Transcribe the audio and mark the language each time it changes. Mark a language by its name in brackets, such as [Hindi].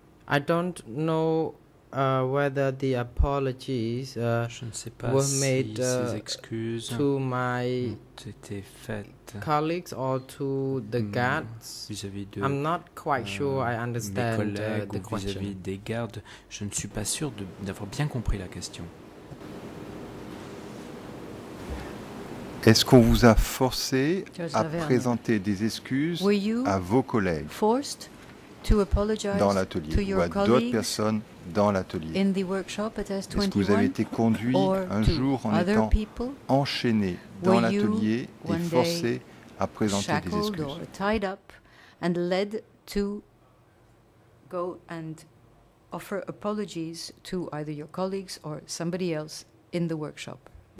[English] I don't know whether the apologies were made to my colleagues or to the guards. I'm not quite sure I understand the question. [French] Vis-à-vis des gardes, je ne suis pas sûr d'avoir bien compris la question. Est-ce qu'on vous a forcé à présenter des excuses à vos collègues dans l'atelier ou à d'autres personnes dans l'atelier? Est-ce que vous avez été conduit un jour en étant enchaîné dans l'atelier et forcé à présenter des excuses? [English] Or tied up and led to go and offer apologies to either your colleagues or somebody else in the workshop?